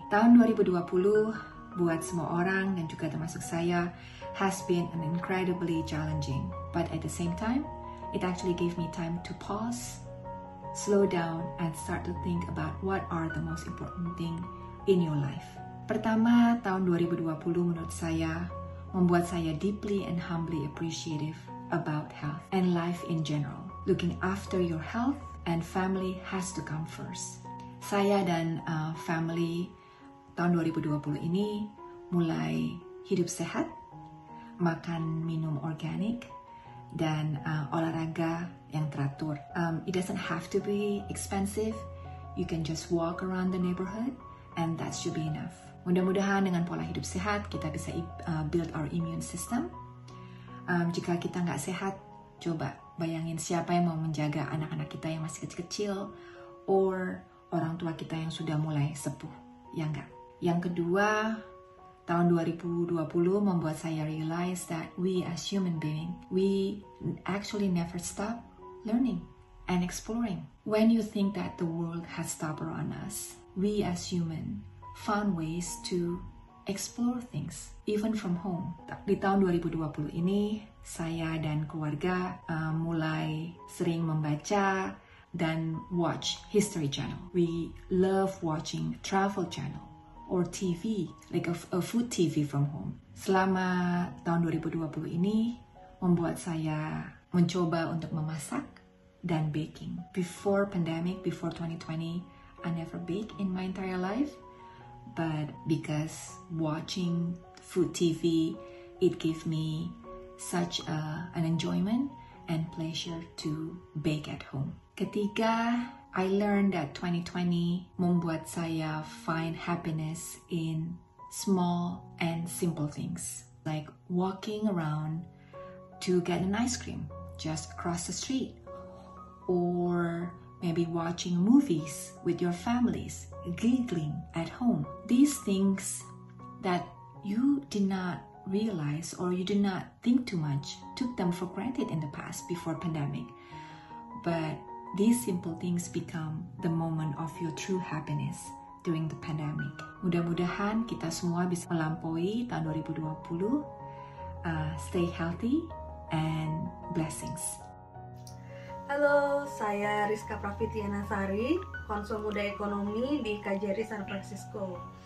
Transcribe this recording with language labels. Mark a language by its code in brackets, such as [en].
[id] Tahun 2020, buat semua orang dan juga termasuk saya, [en] has been an incredibly challenging, but at the same time, it actually gave me time to pause, slow down, and start to think about what are the most important thing in your life. [id] Pertama, tahun 2020 menurut saya membuat saya [en] deeply and humbly appreciative about health and life in general. Looking after your health and family has to come first. [id] Saya dan family tahun 2020 ini mulai hidup sehat, makan minum organik dan olahraga yang teratur. [en] It doesn't have to be expensive. You can just walk around the neighborhood and that should be enough. [id] Mudah-mudahan dengan pola hidup sehat kita bisa [en] build our immune system. [id] Jika kita nggak sehat, coba bayangin siapa yang mau menjaga anak-anak kita yang masih kecil-kecil or orang tua kita yang sudah mulai sepuh, ya nggak? Yang kedua, tahun 2020 membuat saya [en] realize that we as human being, we actually never stop learning and exploring. When you think that the world has stopped on us, we as human found ways to explore things, even from home. [id] Di tahun 2020 ini, saya dan keluarga mulai sering membaca dan watch History Channel. [en] We love watching Travel Channel or TV, like a food TV from home. [id] Selama tahun 2020 ini, membuat saya mencoba untuk memasak dan baking. [en] Before pandemic, before 2020, I never bake in my entire life, but because watching food TV, it gave me such an enjoyment and pleasure to bake at home. Ketiga, I learned that 2020 [id] membuat saya [en] find happiness in small and simple things, like walking around to get an ice cream just across the street, or maybe watching movies with your families, giggling at home. These things that you did not realize or you did not think too much, took them for granted in the past before pandemic. But these simple things become the moment of your true happiness during the pandemic. [id] Mudah-mudahan kita semua bisa melampaui tahun 2020. [en] Stay healthy and blessings. [id] Halo, saya Rizka Pravitiana Sari, konsul muda ekonomi di KJRI San Francisco.